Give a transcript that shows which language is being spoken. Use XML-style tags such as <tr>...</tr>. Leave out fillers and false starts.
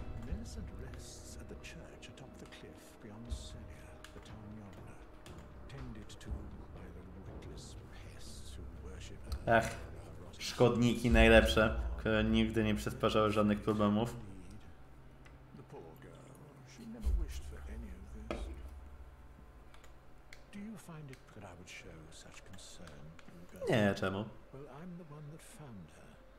<en>Millicent rests at the church atop the cliff beyond Senia, the town yonder. Tended to by the witless pests who worship her.</en> <pl>Ach, szkodniki najlepsze, które nigdy nie przysparzały żadnych problemów.</pl> <en>The poor girl, she never wished for any of this. Do you find it that I would show such concern?</en> <pl>Nie, czemu?</pl> <en>Well, I'm the one that found her.</en>